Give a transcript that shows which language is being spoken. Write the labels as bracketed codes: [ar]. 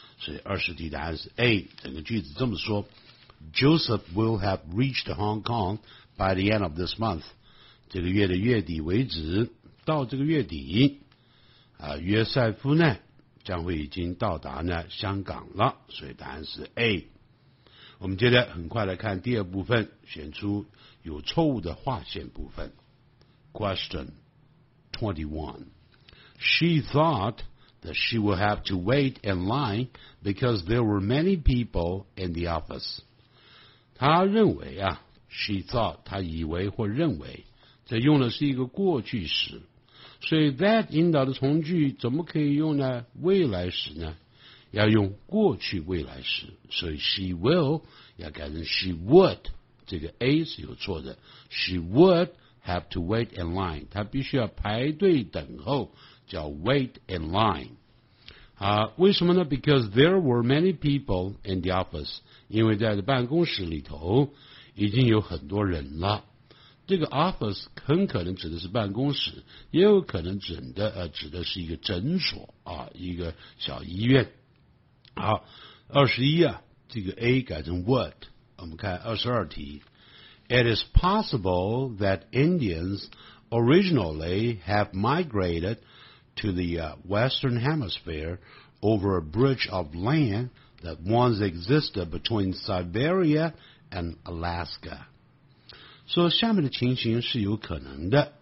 [zh] 所以20题答案是 A， 整个句子这么说， [en] Joseph will have reached Hong Kong by the end of this month， [zh] 这个月的月底为止，到这个月底啊，约瑟夫呢将会已经到达呢香港了。所以答案是 A。我们接着很快来看第二部分，选出有错误的划线部分。 [en] Question 21. She thought that she would have to wait in line because there were many people in the office. [zh] 她认为啊 [en] she thought, [zh] 她以为或认为，这用的是一个过去时。所以 that 引导的从句怎么可以用呢？未来时呢？要用过去未来时。所以 she will 要改成 she would， 这个 A 是有错的。 [en] She wouldhave to wait in line， [zh] 他必须要排队等候，叫 [en] wait in line。 [zh] 为什么呢？ [en] Because there were many people in the office， [zh] 因为在办公室里头已经有很多人了。这个 office 很可能指的是办公室，也有可能指的是一个诊所啊，一个小医院。好，21啊，这个 A 改成 would。我们看22题， [en] It is possible that Indians originally have migrated to the Western Hemisphere over a bridge of land that once existed between Siberia and Alaska. [zh] So, 下面的情形是有可能的。